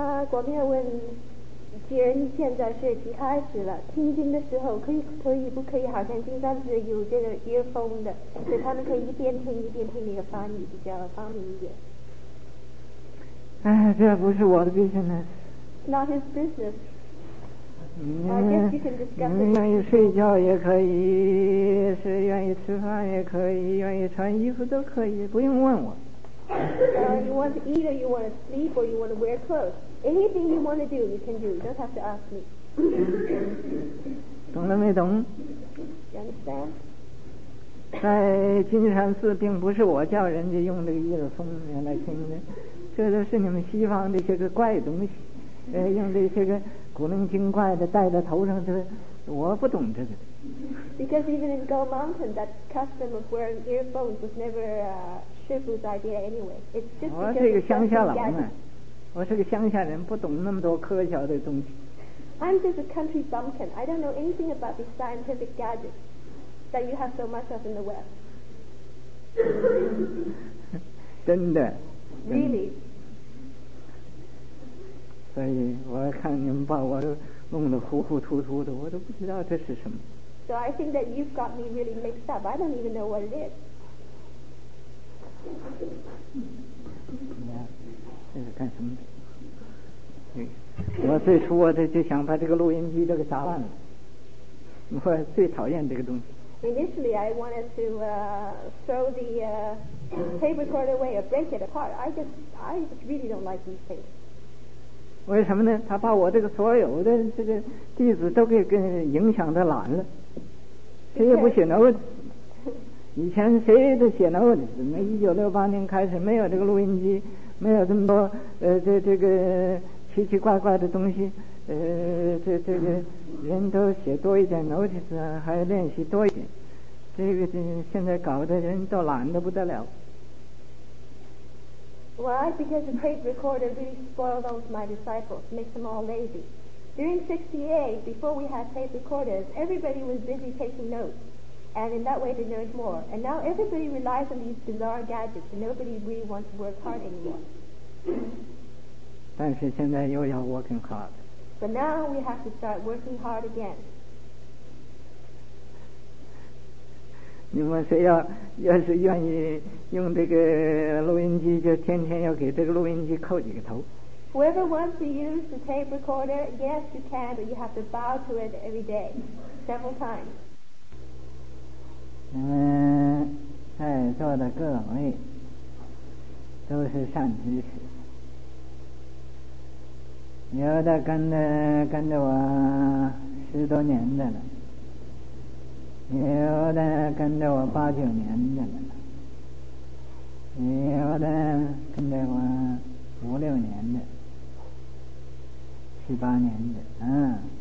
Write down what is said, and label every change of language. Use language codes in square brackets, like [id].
[zh] 我们要问，既然你现在学习开始了，听经的时候可以不可以好像金山寺有这个 earphone 的，所以他们可以一边听一边听那个翻译，比较方便一点。哎，这不是我的 business。 [en] Not his business。 [zh] 你们愿意睡觉也可以，是愿意吃饭也可以，愿意穿衣服都可以，不用问我。 [en] You want to eat, or you want to sleep, or you want to wear clothes. Anything you want to do, you can do. You don't have to ask me. [zh] 懂了没懂？ [en] You understand? [zh] 在金山寺并不是我叫人家用这个耳风来听的，这都是你们西方这些个怪东西，用这些个古灵精怪的戴在头上，这我不懂这个。 [en] Because even in Gold Mountain, that custom of wearing earphones was never师父's idea anyway. It's just [zh] 我是一个乡下老人，我是个乡下人，不懂那么多科学的东西。 [en] I'm just a country bumpkin. I don't know anything about these scientific gadgets that you have so much of in the West. [zh] 真的。 [en] Really. [zh] 所以我看你们把我弄得糊糊涂涂的，我都不知道这是什么。 [en] So I think that you've got me really mixed up. I don't even know what it is. [zh] 那这是干什么的？我最初我就想把这个录音机这个砸烂了，我最讨厌这个东西。 [en] Initially, I wanted to throw the tape recorder away or break it apart. I just really don't like these tapes. [zh] 为什么呢？他把我这个所有的这个弟子都给影响的懒了，谁也不写 note。以前谁都写 note， 怎么1968年开始没有这个录音机，没有这么多这个。奇奇怪怪的东西，这个人都写多一点 notice 啊，还练习多一点，这个现在搞的人都懒得不得了。 [en] Why? Because the tape recorder really spoiled all of my disciples, makes them all lazy. During 68, before we had tape recorders, everybody was busy taking notes, and in that way they learned more. And now everybody relies on these bizarre gadgets, and nobody really wants to work hard anymore. [zh] 但是现在又要 [en] working hard. But now we have to start working hard again. [zh] 你们谁要是愿意用这个录音机，就天天要给这个录音机扣几个头。 [en] Whoever wants to use the tape recorder, yes, you can, but you have to bow to it every day, several times. [zh] 你们在座的各位都是善知识。有的跟着我十多年的了，有的跟着我八九年的了，有的跟着我五六年的，七八年的，嗯。